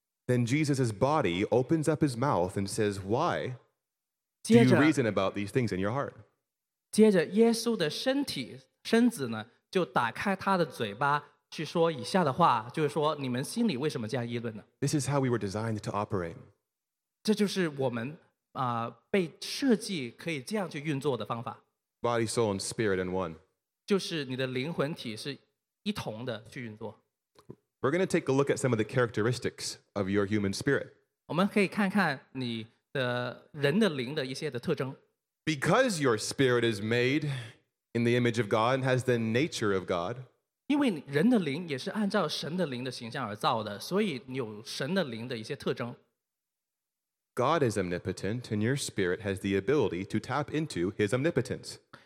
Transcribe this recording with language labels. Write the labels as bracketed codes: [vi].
[en] Then Jesus' body opens up his mouth and says, "Why do you reason about these things in your heart?" [zh] 接着耶稣的身体身子呢？就打开他的嘴巴去说以下的话，就是说你们心里为什么这样议论呢？ [en] This is how we were designed to operate. [zh] 这就是我们被设计可以这样去运作的方法。 [en] Body, soul, and spirit in one. [zh] 就是你的灵魂体是一同的去运作。 [en] We're going to take a look at some of the characteristics of your human spirit. [zh] 我们可以看看你的人的灵的一些的特征。 [en] Because your spirit is made in the image of God and has the nature of God. [zh] 因为人的灵也是按照神的灵的形象而造的，所以你有神的灵的一些特征。 [en] God is omnipotent, and your spirit has the ability to tap into his omnipotence.